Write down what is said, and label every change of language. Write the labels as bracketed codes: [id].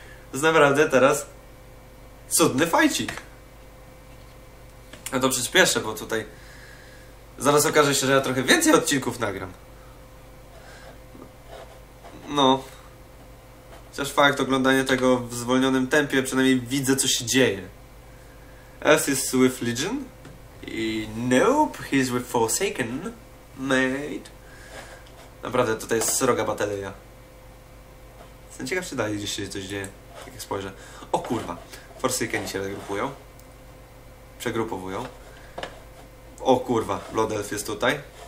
[pl] To jest naprawdę teraz cudny fajcik. No to przyspieszę, bo tutaj zaraz okaże się, że ja trochę więcej odcinków nagram. No. Chociaż fakt, oglądanie tego w zwolnionym tempie, przynajmniej widzę, co się dzieje. [en] Elf is with Legion. I nope, he's with Forsaken. Mate. [pl] Naprawdę, tutaj jest sroga bateria. Jestem ciekaw, czy dalej gdzieś się coś dzieje. Jak spojrzę. O kurwa. Forsykeni się regrupują. Przegrupowują. O kurwa, Blood Elf jest tutaj.